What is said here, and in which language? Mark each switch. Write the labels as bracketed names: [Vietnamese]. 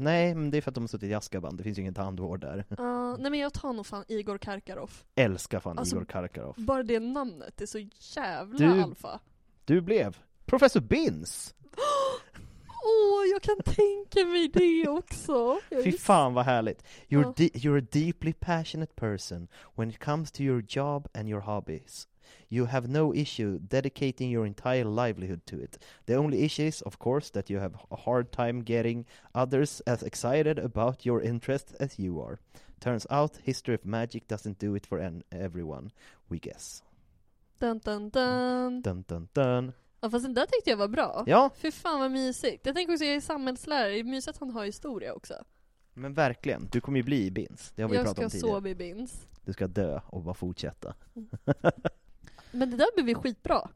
[Swedish] Nej, men det är för att de har suttit i Azkaban. Det finns ju ingen tandvård där. Nej, men jag tar nog fan Igor Karkaroff. Älskar fan alltså, Igor Karkaroff. Bara det namnet är så jävla du, alfa. Du blev professor Binns. Åh, jag kan tänka mig det också. Fy fan, vad härligt. [English] You're a deeply passionate person when it comes to your job and your hobbies. You have no issue dedicating your entire livelihood to it. The only issue is, of course, that you have a hard time getting others as excited about your interest as you are. Turns out, history of magic doesn't do it for everyone, we guess. Dun dun dun. Dun dun dun. [Swedish] Ja, fast den där tyckte jag var bra. Ja. Fy fan vad mysigt. Jag tänker också att jag är samhällslärare. Det är mysigt att han har historia också. Men verkligen, du kommer ju bli i Binns. Det har vi jag pratat om tidigare. Jag ska så bli Binns. Du ska dö och bara fortsätta. Men det där blev ju skitbra.